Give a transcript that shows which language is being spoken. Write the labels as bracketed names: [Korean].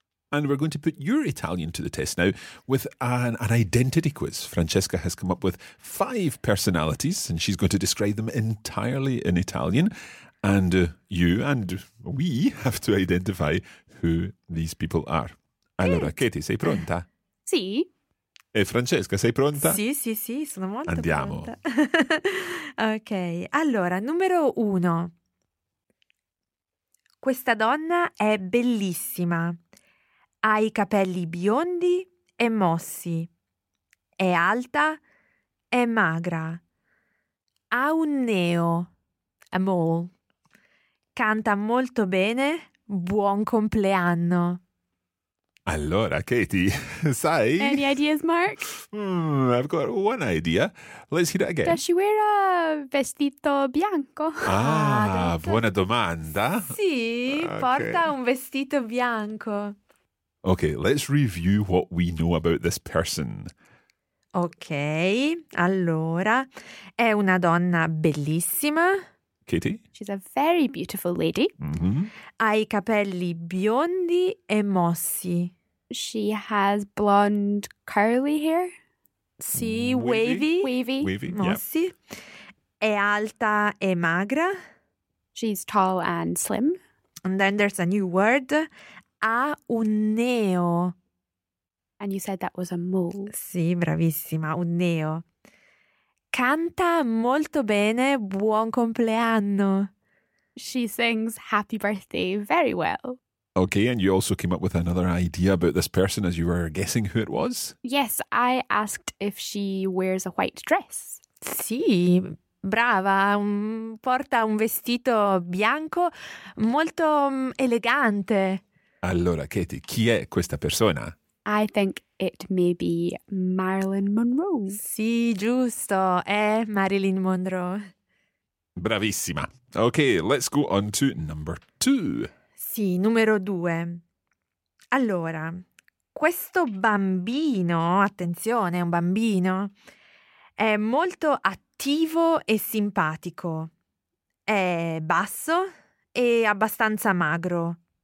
[English] And we're going to put your Italian to the test now with an identity quiz. Francesca has come up with five personalities and she's going to describe them entirely in Italian. And you and we have to identify who these people are. [Italian] Allora, Katie, sei pronta? Sì. E Francesca, sei pronta? Sì, sì, sì, sono molto Andiamo. Pronta. Ok, allora, numero uno. Questa donna è bellissima. Ha i capelli biondi e mossi. È alta e magra. Ha un neo. [English] A mole. [Italian] Canta molto bene. Buon compleanno. Allora, Katie, sai? [English] Any ideas, Mark? I've got one idea. Let's hear it again. Does she wear a [Italian] vestito bianco? Buona domanda. Sì, okay. Porta un vestito bianco. [English] Okay, let's review what we know about this person. [Italian] Okay, allora, è una donna bellissima. Katie? [English] She's a very beautiful lady. Mm-hmm. [Italian] Ha i capelli biondi e mossi. [English] She has blonde curly hair. Sì, wavy. Wavy. Wavy, [Italian] mossi. [English] Yeah. [Italian] È alta e magra. [English] She's tall and slim. And then there's a new word. [Italian] Ha un neo. [English] And you said that was a mole. [Italian] Sì, bravissima, un neo. Canta molto bene, buon compleanno. She sings happy birthday very well. Okay, and you also came up with another idea about this person as you were guessing who it was? Yes, I asked if she wears a white dress. Sì, brava, porta un vestito bianco molto elegante. Allora, Katie, chi è questa persona? [English] I think it may be Marilyn Monroe. [Italian] Sì, giusto, è Marilyn Monroe. Bravissima. [English] Okay, let's go on to number two. [Italian] Sì, numero due. Allora, questo bambino, attenzione, è un bambino, è molto attivo e simpatico. È basso e abbastanza magro.